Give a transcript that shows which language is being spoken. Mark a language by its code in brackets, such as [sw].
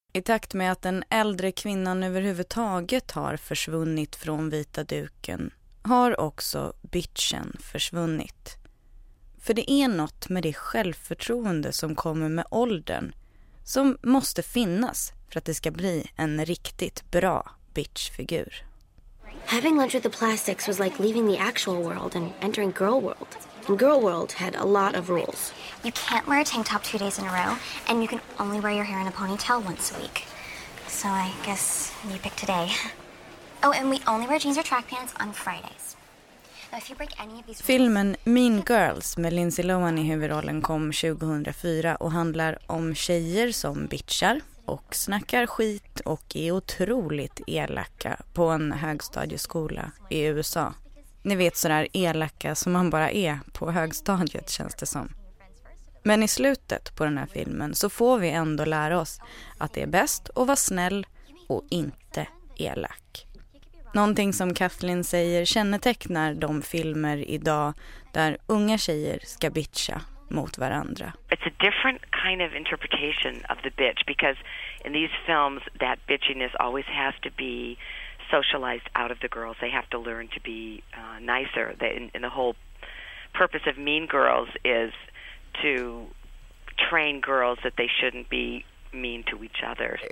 [sv] I takt med att den äldre kvinnan överhuvudtaget har försvunnit från vita duken har också bitchen försvunnit. För det är något med det självförtroende som kommer med åldern som måste finnas för att det ska bli en riktigt bra bitchfigur. [en] Having lunch with the plastics was like leaving the actual world and entering girl world. And girl world had a lot of rules. You can't wear a tank top 2 days in a row, and you can only wear your hair in a ponytail once a week. So I guess you pick today. Oh, and we only wear jeans or track pants on Fridays. Now, if you break any of these... [sv] Filmen Mean Girls med Lindsay Lohan i huvudrollen kom 2004 och handlar om tjejer som bitchar och snackar skit och är otroligt elaka på en högstadieskola i USA. Ni vet, sådär elaka som man bara är på högstadiet, känns det som. Men i slutet på den här filmen så får vi ändå lära oss att det är bäst att vara snäll och inte elak. Någonting som Kathleen säger kännetecknar de filmer idag där unga tjejer ska bitcha mot varandra. [en] It's a different kind of interpretation of the bitch, because in these films that bitchiness always has to be socialized out of the girls. They have to learn to be nicer. And the whole purpose of Mean Girls is to train girls that they shouldn't be mean to each other.